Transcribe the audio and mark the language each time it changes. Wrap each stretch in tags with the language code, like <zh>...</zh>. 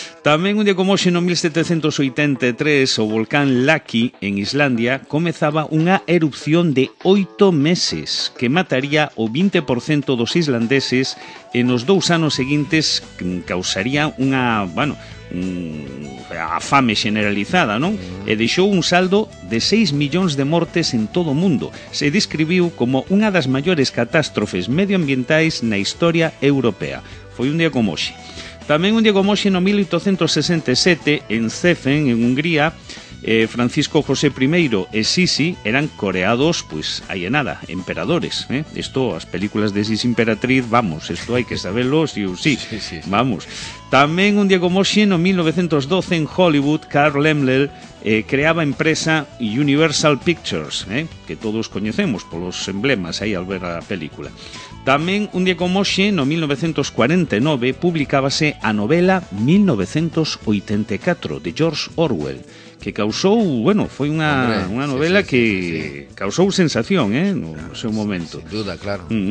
<gl>Tamén un día como hoxe, no 1783, o volcán Laki, en Islandia, comezaba unha erupción de 8 meses que mataría o 20% dos islandeses e nos dous anos seguintes causaría unha, bueno, a fame xeneralizada, non? E deixou un saldo de 6 millóns de mortes en todo o mundo. Se describiu como unha das maiores catástrofes medioambientais na historia europea. Foi un día como hoxe. Tamén un día como hoxe, no 1867, en Szefen, en Hungría, Francisco José I e Sisi eran coreados, pues, ahí en nada, emperadores, ¿eh?</gl> <es>Esto, las películas de Sisi Imperatriz, vamos, esto hay que saberlo, sí, vamos. También un día como hoy, en 1912, en Hollywood, Carl Laemmle creaba empresa Universal Pictures, que todos conocemos por los emblemas ahí al ver la película. También un día como hoy,</es> <gl>en 1949, publicábase a novela 1984, de George Orwell, que causou, bueno, foi unha novela que causou sensación, no, claro, seu momento.</gl> <es>Sin duda, claro.</es>